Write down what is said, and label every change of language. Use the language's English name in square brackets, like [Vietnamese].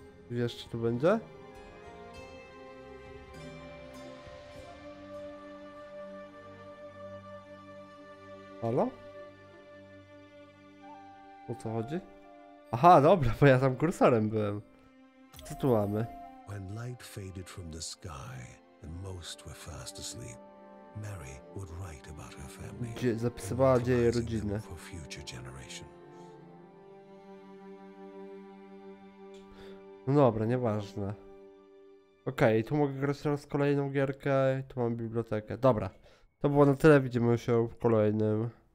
[Polish] Wiesz, czy tu będzie? Halo? O co chodzi? Aha, dobra, bo ja tam kursorem byłem. Co tu mamy? [English] When light faded from the sky and most were fast asleep, Mary would write about her family. [Polish] Zapisywała dzieje rodziny. [English] For future generations. [Polish] No dobra, nieważne. Okej, okay, tu mogę grać teraz kolejną gierkę, tu mam bibliotekę. Dobra, to było na tyle, widzimy się w kolejnym.